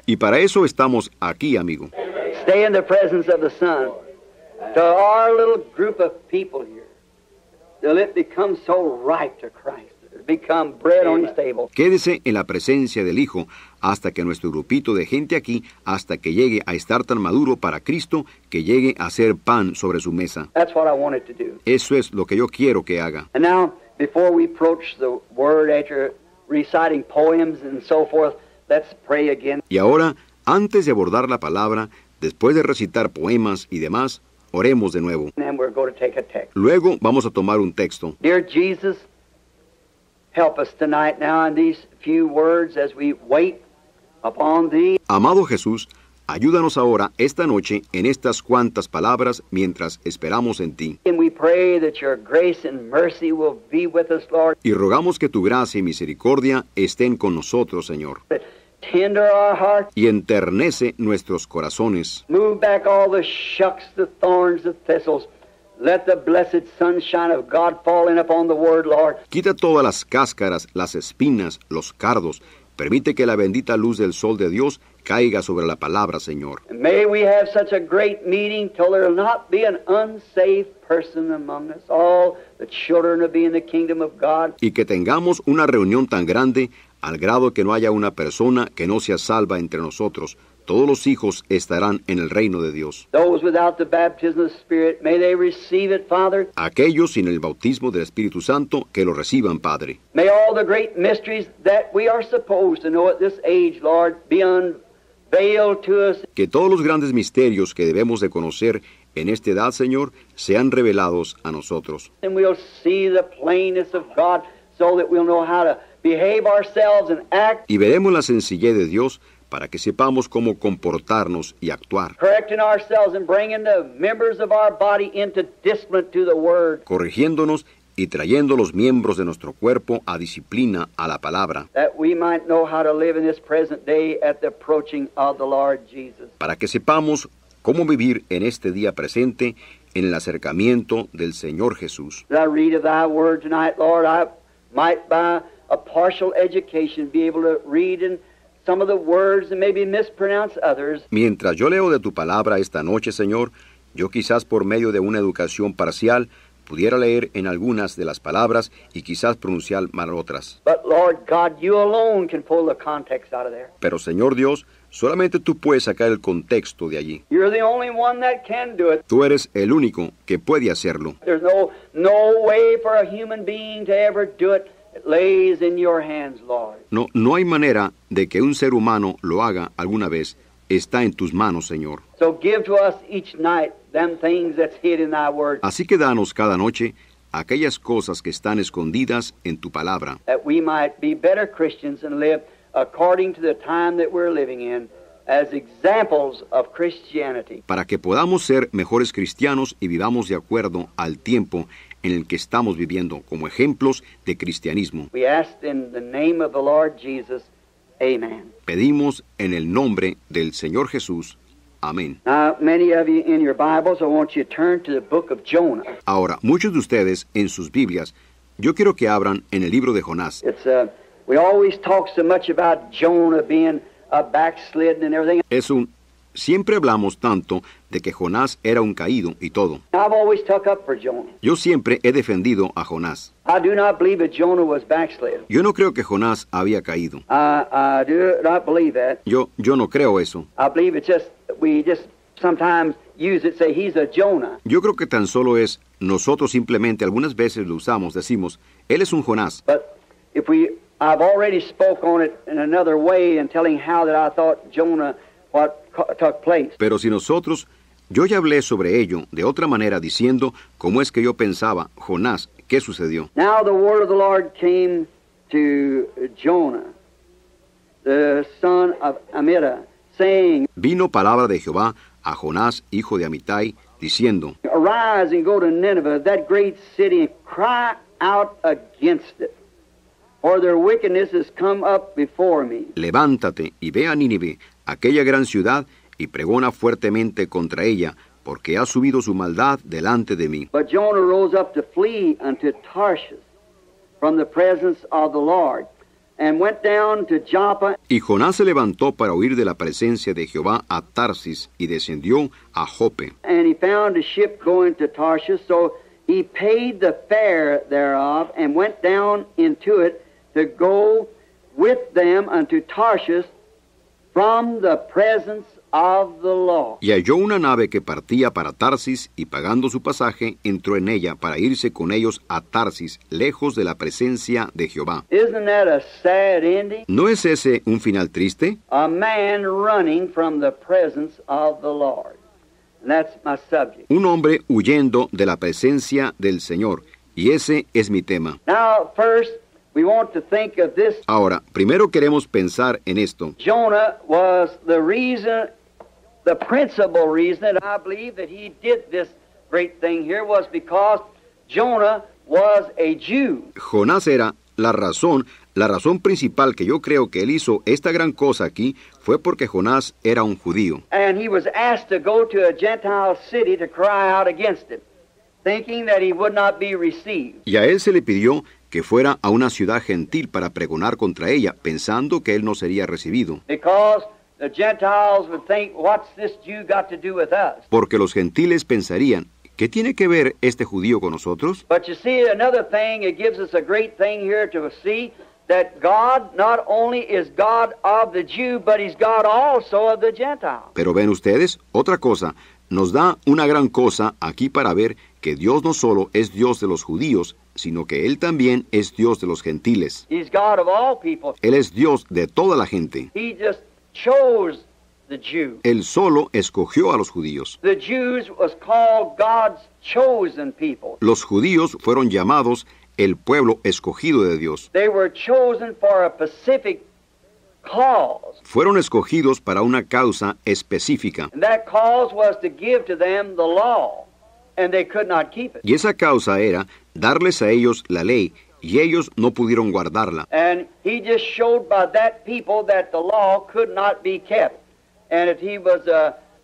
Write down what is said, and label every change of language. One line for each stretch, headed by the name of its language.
Spanish: Y para eso estamos aquí, amigo.
English: Stay in the presence of the Son. To our little group of people here. Till it becomes so ripe to Christ. It become bread on his table.
Spanish: Quédese en la presencia del Hijo. Hasta que nuestro grupito de gente aquí, hasta que llegue a estar tan maduro para Cristo, que llegue a ser pan sobre su mesa.
English: That's what I wanted to do.
Spanish: Eso es lo que yo quiero que haga.
English: And now, before we approach the word after reciting poems and so forth, let's pray again.
Spanish: Y ahora, antes de abordar la palabra, después de recitar poemas y demás, oremos de nuevo.
English: And then we're going to take a text.
Spanish: Luego vamos a tomar un texto.
English: Dear Jesus, help us tonight now in these few words as we wait upon thee.
Spanish: Amado Jesús, ayúdanos ahora esta noche en estas cuantas palabras mientras esperamos en ti.
English: And we pray that your grace and mercy will be with us, Lord.
Spanish: Y rogamos que tu gracia y misericordia estén con nosotros, Señor.
English: Tender our hearts.
Spanish: Y enternece nuestros corazones.
English: Move back all the shucks, the thorns, the thistles. Let the blessed sunshine of God fall in upon the word, Lord.
Spanish: Quita todas las cáscaras, las espinas, los cardos. Permite que la bendita luz del sol de Dios caiga sobre la palabra, Señor.
English: May we have such a great meeting till there will not be an unsaved person among us. All the children will be in the kingdom of God.
Spanish: Y que tengamos una reunión tan grande al grado que no haya una persona que no sea salva entre nosotros. Todos los hijos estarán en el reino de Dios.
English: Those without the baptism of the Spirit, may they receive it, Father.
Spanish: Aquellos sin el bautismo del Espíritu Santo, que lo reciban, Padre.
English: May all the great mysteries that we are supposed to know at this age, Lord, be unveiled to us.
Spanish: Que todos los grandes misterios que debemos de conocer en esta edad, Señor, sean revelados a nosotros.
English: And we'll see the plainness of God so that we'll know how to behave ourselves and act.
Spanish: Y veremos la sencillez de Dios para que sepamos cómo comportarnos y actuar.
English: Correcting ourselves and bringing the members of our body into discipline to the word.
Spanish: Corrigiéndonos y trayendo los miembros de nuestro cuerpo a disciplina a la palabra.
English: That we might know how to live in this present day at the approaching of the Lord Jesus.
Spanish: Para que sepamos cómo vivir en este día presente en el acercamiento del Señor Jesús.
English: I read of thy word tonight, Lord, I might by a partial education be able to read and some of the words and maybe mispronounce others.
Spanish: Mientras yo leo de tu palabra esta noche, Señor, yo quizás por medio de una educación parcial pudiera leer en algunas de las palabras y quizás pronunciar mal otras.
English: But Lord God, you alone can pull the context out of there.
Spanish: Pero Señor Dios, solamente tú puedes sacar el contexto de allí.
English: You're the only one that can do it.
Spanish: Tú eres el único que puede hacerlo.
English: There's no way for a human being to ever do it. It lays in your hands, Lord.
Spanish: No hay manera de que un ser humano lo haga alguna vez. Está en tus manos, Señor.
English: So give to us each night them things that's hid in thy word.
Spanish: Así que danos cada noche aquellas cosas que están escondidas en tu palabra.
English: That we might be better Christians and live according to the time that we're living in as examples of Christianity.
Spanish: Para que podamos ser mejores cristianos y vivamos de acuerdo al tiempo en el que estamos viviendo, como ejemplos de cristianismo.
English: We ask in the name of the Lord Jesus, amen.
Spanish: Pedimos en el nombre del Señor Jesús, amén.
English: Many of you in your Bibles, I want you to turn to the book of Jonah.
Spanish: Ahora, muchos de ustedes en sus Biblias, yo quiero que abran en el libro de Jonás.
English: We always talk so much about Jonah being a backslidden and everything.
Spanish: Siempre hablamos tanto de que Jonás era un caído y todo.
English: I've always stuck up for Jonah.
Spanish: Yo siempre he defendido a Jonás.
English: I do not believe that Jonah was backslidden.
Spanish: Yo no creo que Jonás había caído.
English: I do not believe that.
Spanish: Yo no creo eso.
English: I believe it's just, we just sometimes use it, say he's a Jonah.
Spanish: Yo creo que tan solo es, nosotros simplemente algunas veces lo usamos, decimos, él es un Jonás.
English: But if we, I've already spoke on it in another way and telling how that I thought Jonah, what took place.
Spanish: Pero si nosotros, yo ya hablé sobre ello de otra manera diciendo cómo es que yo pensaba, Jonás, ¿qué sucedió?
English: Now the word of the Lord came to Jonah, the son of Amittai, saying,
Spanish: vino palabra de Jehová a Jonás, hijo de Amittai, diciendo,
English: arise and go to Nineveh, that great city, and cry out against it, for their wickedness has come up before me.
Spanish: Levántate y ve a Nínive, aquella gran ciudad, y pregona fuertemente contra ella, porque ha subido su maldad delante de mí.
English: But Jonah rose up to flee unto Tarshish from the presence of the Lord, and went down to Joppa.
Spanish: Y Jonás se levantó para huir de la presencia de Jehová a Tarsis, y descendió a Joppe.
English: And he found a ship going to Tarshish, so he paid the fare thereof, and went down into it to go with them unto Tarshish, from the presence of the Lord.
Spanish: Y halló una nave que partía para Tarsis, y pagando su pasaje, entró en ella para irse con ellos a Tarsis, lejos de la presencia de Jehová.
English: Isn't that a sad ending?
Spanish: ¿No es ese un final triste?
English: A man running from the presence of the Lord. And that's my subject.
Spanish: Un hombre huyendo de la presencia del Señor, y ese es mi tema.
English: Now, first, we want to think of this.
Spanish: Ahora, primero queremos pensar en esto.
English: Jonah was the reason, the principal reason that I believe that he did this great thing here was because Jonah was a Jew.
Spanish: Jonás era la razón principal que yo creo que él hizo esta gran cosa aquí fue porque Jonás era un judío.
English: And he was asked to go to a Gentile city to cry out against it, thinking that he would not be received.
Spanish: Y a él se le pidió que fuera a una ciudad gentil para pregonar contra ella, pensando que él no sería recibido.
English: Because the Gentiles would think, what's this Jew got to do with us?
Spanish: Porque los gentiles pensarían, ¿qué tiene que ver este judío con nosotros?
English: But you see, another thing, it gives us a great thing here to see that God not only is God of the Jew, but he's God also of the Gentile.
Spanish: Pero ven ustedes, otra cosa, nos da una gran cosa aquí para ver que Dios no solo es Dios de los judíos, sino que Él también es Dios de los gentiles.
English: He's God of all people.
Spanish: Él es Dios de toda la gente.
English: He just chose the Jew.
Spanish: Él solo escogió a los judíos.
English: The Jews was called God's chosen people.
Spanish: Los judíos fueron llamados el pueblo escogido de Dios.
English: They were chosen for a specific cause.
Spanish: Fueron escogidos para una causa específica.
English: And that cause was to give to them the law. And they could not keep it.
Spanish: Y esa causa era darles a ellos la ley, y ellos no pudieron guardarla.
English: And he just showed by that people that the law could not be kept. And if he was a